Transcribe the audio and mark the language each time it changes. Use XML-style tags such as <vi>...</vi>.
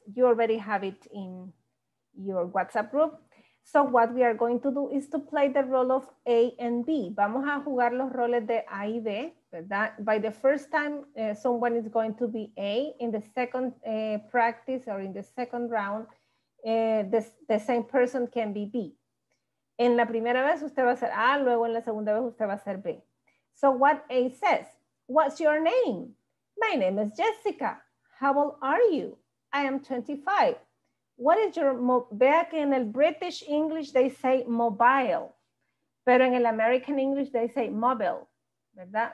<en>You already have it in your WhatsApp group. So what we are going to do is to play the role of A and B.</en> <es>Vamos a jugar los roles de A y B, ¿verdad?</es> <en>By the first time, someone is going to be A. In the second practice or in the second round, the same person can be B.</en> <es>En la primera vez usted va a ser A, luego en la segunda vez usted va a ser B.</es> <en>So what A says, what's your name? My name is Jessica. How old are you? I am 25. What is your,</en> <es>vea que en el</es> <en>British English they say mobile,</en> <es>pero en el</es> <en>American English they say mobile, ¿verdad?</en>